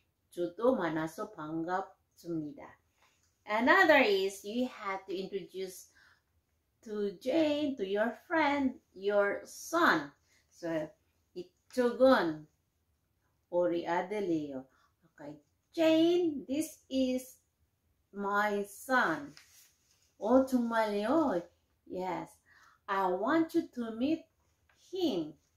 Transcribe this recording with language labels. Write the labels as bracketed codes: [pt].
[ko] 저도 만나서 반갑습니다. [en] Another is you have to introduce to Jane, to your friend, your son. [ko] So 이쪽은 우리 아들이에요. [en] Okay, Jane, this is my son. [ko] 오, 정말요? [en] Yes, I want you to meet him.